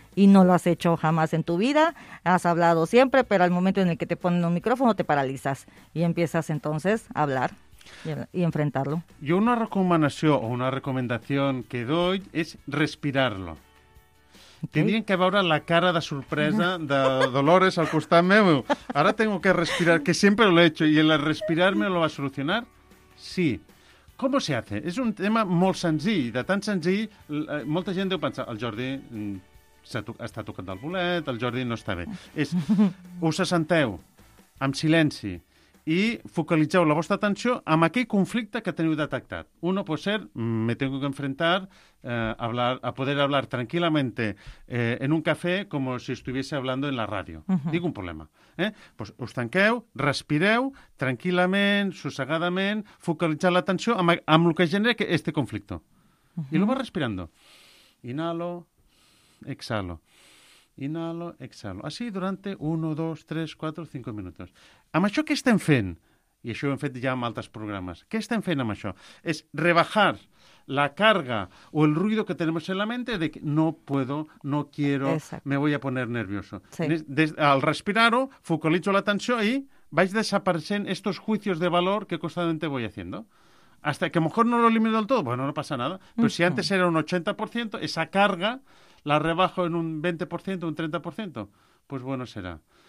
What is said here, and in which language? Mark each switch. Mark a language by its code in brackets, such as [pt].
[es] Y no lo has hecho jamás en tu vida, has hablado siempre, pero al momento en el que te ponen un micrófono te paralizas y empiezas entonces a hablar y enfrentarlo. Yo una recomendación o una recomendación que doy es respirarlo. Okay. Tendrían que [ca] veure la cara de sorpresa de Dolores al costat meu. [es] Ara tengo que respirar, que sempre lo he hecho, y el respirar me lo va a solucionar? Sí. ¿Cómo se hace? [ca] És un tema molt senzill, de tan senzill, molta gent deu pensar, el Jordi està tocant el bolet, el Jordi no està bé. És, us assenteu amb silenci i focalitzeu la vostra atenció en aquell conflicte que teniu detectat. [es] Uno puede ser, me tengo que enfrentar a poder hablar tranquilamente en un café como si estuviese hablando en la radio. Uh-huh. Digo un problema. [ca] Pues us tanqueu, respireu tranquil·lament, sossegadament, focalitzeu l'atenció amb el que genera este conflicte. [es] Uh-huh. I lo vas respirando. Inhalo, exhalo. Inhalo, exhalo. Así durante 1, 2, 3, 4, 5 minutos. [ca] Amb això què estem fent? I això ho hem fet ja amb altres programes. Què estem fent amb això? [es] És rebajar la carga o el ruido que tenemos en la mente de que no puedo, no quiero, exacto, me voy a poner nervioso. Sí. [ca] Al respirar-ho, focalitzo l'atenció i vaig desapareixent [es] estos juicios de valor que constantemente voy haciendo. Hasta que a lo mejor no lo elimino del todo, bueno, no pasa nada. Pero uh-huh, si antes era un 80%, esa carga la rebajo en un 20%, un 30%, pues bueno será.